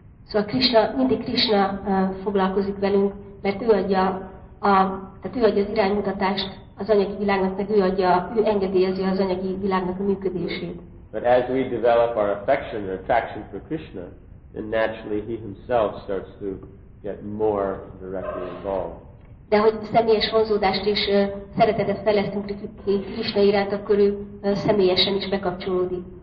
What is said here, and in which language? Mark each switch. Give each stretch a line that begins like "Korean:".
Hungarian: So Krishna, mindig Krishna foglalkozik velünk, mert ő adja az iránymutatást az anyagi világnak, meg ő engedélyezi az anyagi világnak a működését.
English: But as we develop our affection or attraction for Krishna, then naturally He Himself starts to get more directly involved.
Hungarian: De hogy személyes vonzódást és szeretetet fejlesztünk Krishna iránt, akkor ő személyesen is bekapcsolódik.